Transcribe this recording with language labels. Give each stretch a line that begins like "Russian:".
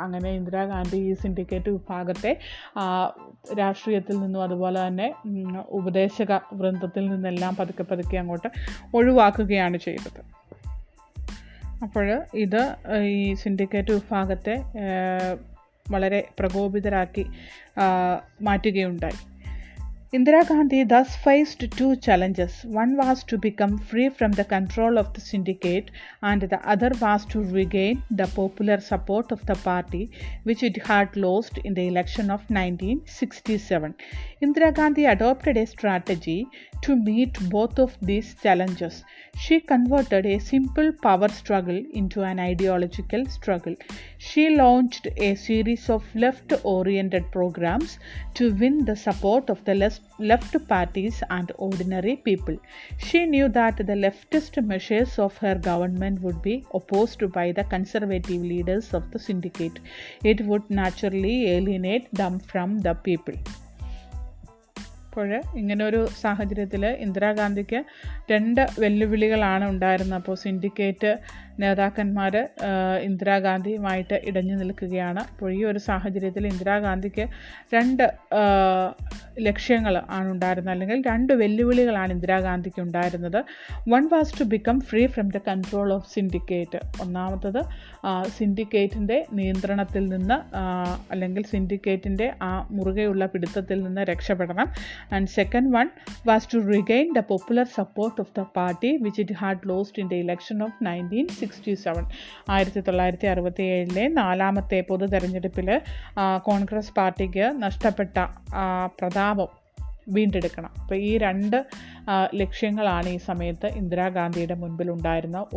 Malayalam: അങ്ങനെ ഇന്ദിരാഗാന്ധി ഈ സിൻഡിക്കേറ്റ് വിഭാഗത്തെ രാഷ്ട്രീയത്തിൽ നിന്നും അതുപോലെ തന്നെ ഉപദേശക വൃന്ദത്തിൽ നിന്നെല്ലാം പതുക്കെ പതുക്കെ അങ്ങോട്ട് ഒഴിവാക്കുകയാണ് ചെയ്തത്. അപ്പോൾ ഇത് ഈ സിൻഡിക്കേറ്റ് വിഭാഗത്തെ വളരെ പ്രകോപിതരാക്കി മാറ്റുകയുണ്ടായി.
English: Indira Gandhi thus faced two challenges. One was to become free from the control of the syndicate, and the other was to regain the popular support of the party, which it had lost in the election of 1967. Indira Gandhi adopted a strategy to meet both of these challenges. She converted a simple power struggle into an ideological struggle. She launched a series of left-oriented programs to win the support of the left parties and ordinary people. She knew that the leftist measures of her government would be opposed by the conservative leaders of the syndicate. It would naturally alienate them from the people.
Malayalam: അപ്പോഴ് ഇങ്ങനെ ഒരു സാഹചര്യത്തിൽ ഇന്ദിരാഗാന്ധിക്ക് രണ്ട് വെല്ലുവിളികളാണ് ഉണ്ടായിരുന്നത്. അപ്പോൾ syndicate നേതാക്കന്മാർ ഇന്ദിരാഗാന്ധിയുമായിട്ട് ഇടഞ്ഞു നിൽക്കുകയാണ്. അപ്പോൾ ഈ ഒരു സാഹചര്യത്തിൽ ഇന്ദിരാഗാന്ധിക്ക് രണ്ട് ലക്ഷ്യങ്ങൾ ആണുണ്ടായിരുന്നത്, അല്ലെങ്കിൽ രണ്ട് വെല്ലുവിളികളാണ് ഇന്ദിരാഗാന്ധിക്ക് ഉണ്ടായിരുന്നത്.
English: One was to become free from the control of syndicate.
Malayalam: ഒന്നാമത്തത് സിൻഡിക്കേറ്റിൻ്റെ നിയന്ത്രണത്തിൽ നിന്ന്, അല്ലെങ്കിൽ സിൻഡിക്കേറ്റിൻ്റെ ആ മുറുകെയുള്ള പിടുത്തത്തിൽ നിന്ന് രക്ഷപ്പെടണം.
English: And second one was to regain the popular support of the party which it had lost in the election of 1967.
Malayalam: 1967-ലെ നാലാമത്തെ പൊതു തെരഞ്ഞെടുപ്പിൽ കോൺഗ്രസ് പാർട്ടിക്ക് നഷ്ടപ്പെട്ട പ്രതാപം വീണ്ടെടുക്കണം. അപ്പോൾ ഈ രണ്ട് ലക്ഷ്യങ്ങളാണ് ഈ സമയത്ത് ഇന്ദിരാഗാന്ധിയുടെ മുൻപിൽ ഉണ്ടായിരുന്നത്.